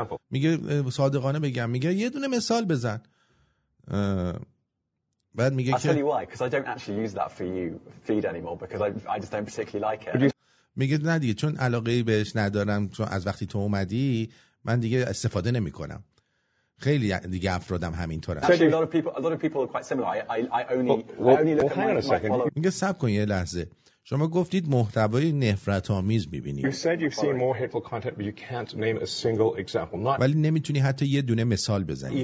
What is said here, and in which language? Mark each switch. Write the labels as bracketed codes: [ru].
[fa] میگه صادقانه بگم، میگه یه دونه مثال بزن. بعد میگه [en] I'll tell you why, because I don't actually use that for you feed anymore because I just don't particularly like it. [fa] میگه نه دیگه چون علاقه بهش ندارم، چون از وقتی تو اومدی من دیگه استفاده نمی کنم. خیلی دیگه افرادم همینطوره. [en] A lot of people are quite similar. I only look at my follow. [fa] میگه صبر کن یه لحظه. شما گفتید محتوای نفرت آمیز میبینید. [en] You said you've seen more hateful content but you can't name a single example. Not [fa] ولی نمیتونی حتی یه دونه مثال بزنی.